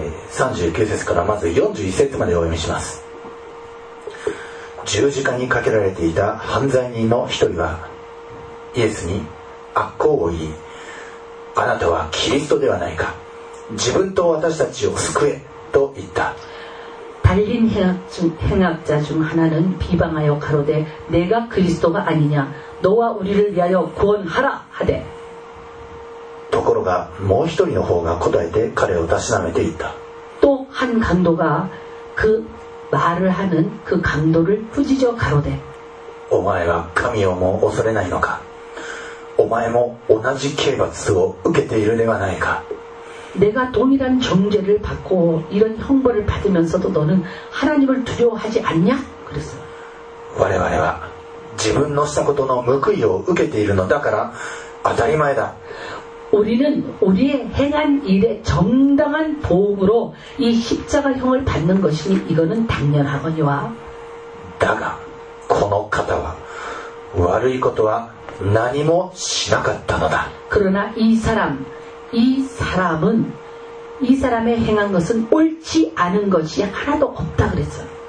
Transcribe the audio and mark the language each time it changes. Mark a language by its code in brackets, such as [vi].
[ja] 39節からまず41節までお読みします。十字架にかけられていた犯罪人の一人はイエスに悪口を言い、あなたはキリストではないか、自分と私たちを救えと言った。 [ko] 달린 행악자 중하나는비방하여가로되내가그리스도가아니냐너와우리를위하여구원하라하되 [ja] ところがもう一人の方が答えて彼をたしなめていった [ko] 또한강도가그말을하는그강도를꾸짖어가로되 [ja] お前は神をも恐れないのか、お前も同じ刑罰を受けているではないか。 [ko] 내가동일한정죄를받고이런형벌을받으면서도너는하나님을두려워하지않냐그랬어 [ja] 我々は自分のしたことの報いを受けているのだから当たり前だ [ko] 우리는우리의행한일에정당한보응으로이십자가형을받는것이니이거는당연하거니와 [ja] だがこの方は悪いことは何もしなかったのだ [ko] 그러나이사람이사람은 이 사람의 행한 것은 옳지 않은 것이 하나도 없다 그랬어.